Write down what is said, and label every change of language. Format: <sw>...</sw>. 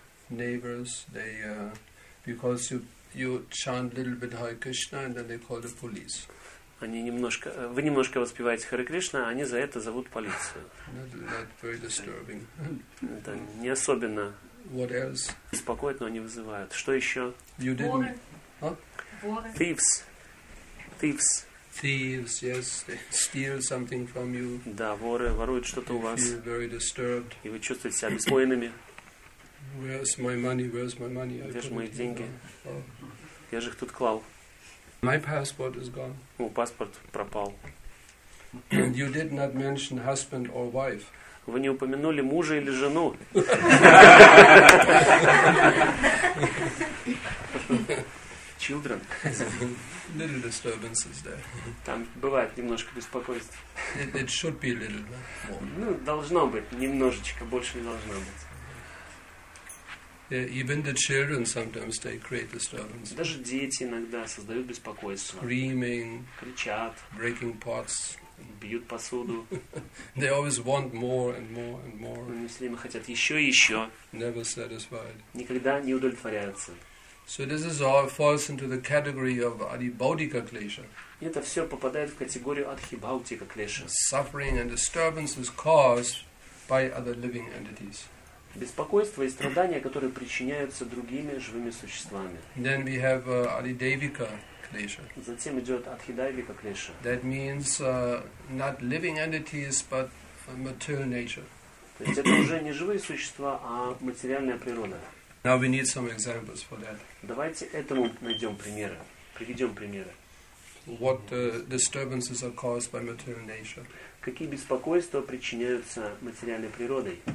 <en>Neighbors, they because you chant a little bit Hare Krishna and then they call the police.</en> <ru>Они немножко, вы немножко воспеваете Хари Кришна, они за это зовут полицию.</ru> <en>Not very disturbing.</en> <ru>Это не особенно</ru> <en>What else?</en> <ru>Беспокоит, но они вызывают. Что еще?</ru> <en>You didn't, huh? Thieves. Thieves. Thieves, yes, they steal something from you.</en> <ru>Да, воры воруют что-то у вас.</ru> <en>You feel very disturbed.</en> <ru>И вы чувствуете себя беспокойными.</ru> <en>Where's my money? Where's my money?</en> <ru>Где же мои деньги? Я же их тут клал.</ru> <en>My passport is gone.</en> <ru>О, паспорт пропал.</ru> <en>And you did not mention husband or wife.</en> <ru>Вы не упомянули мужа или жену.</ru> <en>Children. Little disturbances there.</en> <ru>Там бывает немножко беспокойств.</ru> <en>It should be a little more.</en> <ru>Ну, должно быть, немножечко, больше не должно быть.</ru> <en>Yeah, even the children sometimes they create disturbances.</en> <ru>Даже дети иногда создают беспокойство.</ru> <en>Screaming.</en> <ru>Кричат.</ru> <en>Breaking pots.</en> <ru>Бьют посуду.</ru> <en>They always want more and more and more.</en> <ru>Они все время хотят еще и еще.</ru> <en>Never satisfied.</en> <ru>Никогда не удовлетворяются.</ru> <en>So this is all falls into the category of Adibhautika Klesha.</en> <ru>Это все попадает в категорию Адхибхаутика Клеша.</ru> <en>Suffering and disturbances caused by other living entities.</en> <ru>Беспокойство и страдания, которые причиняются другими живыми существами.</ru> <en>Then we have Adidevika Klesha.</en> <ru>Затем идет Адхидайвика Клеша.</ru> <en>That means not living entities, but material nature.</en> <ru>То есть это уже не живые существа, а материальная природа.</ru> <en>Now we need some examples for that.</en> <ru>Давайте этому найдем примеры. Приведем примеры.</ru> <en>What disturbances are caused by material nature?</en> <ru>Какие беспокойства причиняются материальной природой?</ru>